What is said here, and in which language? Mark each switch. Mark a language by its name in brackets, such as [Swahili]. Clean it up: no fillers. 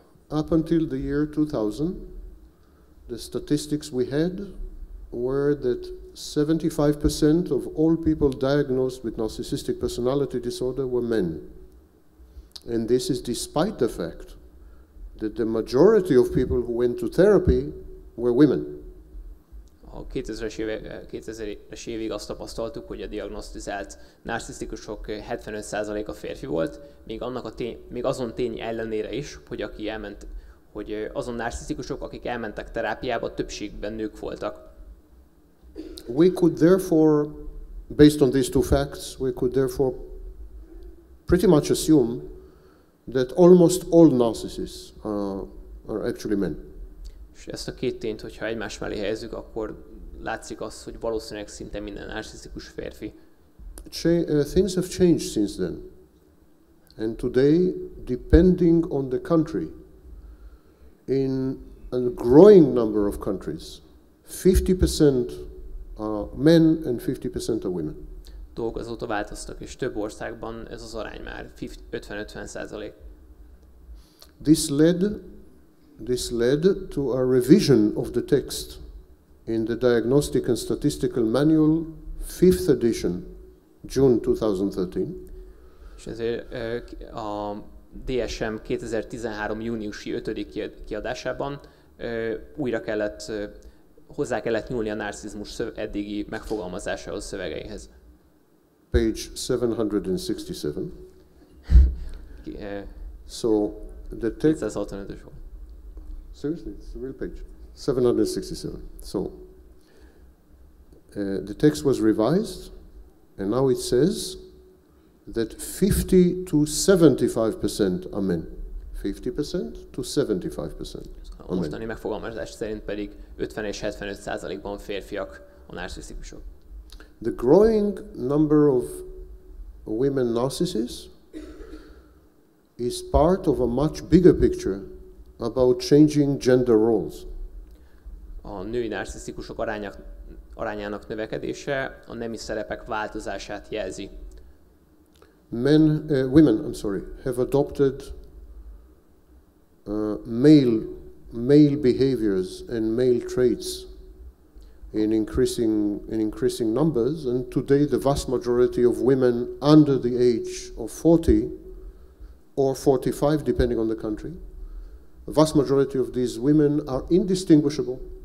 [English] Up until the year 2000, the statistics we had were that 75% of all people diagnosed with narcissistic personality disorder were men. And this is despite the fact that the majority of people who went to therapy were women. [Hungarian] A 2000-es évig azt tapasztaltuk, hogy a diagnosztizált narcisztikusok 75%-a férfi volt, még azon tény ellenére is, hogy aki elment hogy azon narcisztikusok, akik elmentek terápiába, többségben nők voltak. [English] We could therefore, based on these two facts, we could therefore pretty much assume that almost all narcissists are actually men. [Hungarian] És ezt a két tényt, hogyha egymás mellé helyezzük, akkor látszik az, hogy valószínűleg szinte minden narcisztikus férfi. [English] Things have changed since then. And today, depending on the country, in a growing number of countries, 50% are men and 50% are women. [Hungarian] Dolgok azóta változtak, és több országban ez az arány már 50-50%. [English] This led to a revision of the text in the Diagnostic and Statistical Manual, 5th edition, June 2013. [Hungarian] És ezért a DSM 2013. júniusi 5. kiadásában újra kellett, hozzá kellett nyúlni a narcizmus eddigi megfogalmazásához, szövegeihez. [English] Page 767. So the text. Seriously, it's a real page. 767. So the text was revised, and now it says that 50-75% are men. 50%-75%. [Hungarian] A mostani megfogalmazás szerint pedig 50-75%-ban férfiak a narcisztikusok. [English] The growing number of women narcissists is part of a much bigger picture about changing gender roles. [Hungarian] A női narcisztikusok arányának növekedése a nemi szerepek változását jelzi. [English] Women have adopted male behaviors and male traits in increasing numbers, and today the vast majority of women under the age of 40 or 45, depending on the country, the vast majority of these women are indistinguishable,